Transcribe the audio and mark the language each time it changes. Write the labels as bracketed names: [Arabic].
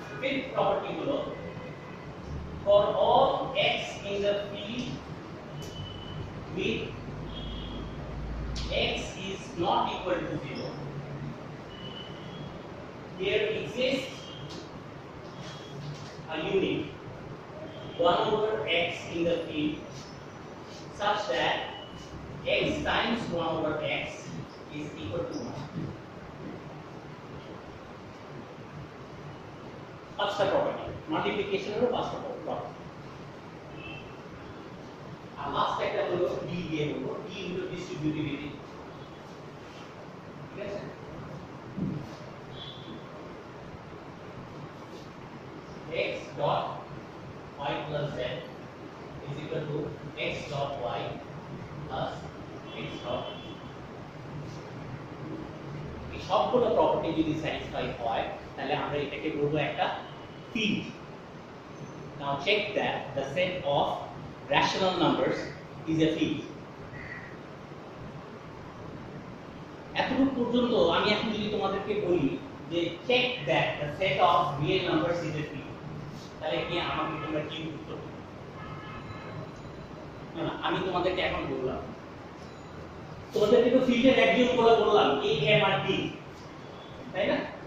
[English] Fifth property below, for all x in the field with x is not equal to 0, there exists a unit 1 over x in the field such that x times 1 over x is equal to 1. [Bangla] First property multiplication হলো first property আর last একটা হলো D দিয়ে হলো D হলো ডিস্ট্রিবিউটিভিটি [English] x dot y plus z is equal to x dot y plus x dot z [Bangla] এই সবগুলো property যদি satisfy হয় তাহলে আমরা এটাকে বলবো একটা [English] field. Now check that the set of rational numbers is a field. [Bangla] এতটুকু পর্যন্ত আমি এখন যদি তোমাদেরকে বলি যে [English] check that the set of real numbers is a field, [Bangla] তাহলে কি আমাকে তোমরা কি উত্তর দেবে? না না আমি তোমাদেরকে এখন বললাম তোমাদেরকে তো ফিল্ডের একজন করে বললাম এ এম আর ডি, তাই না?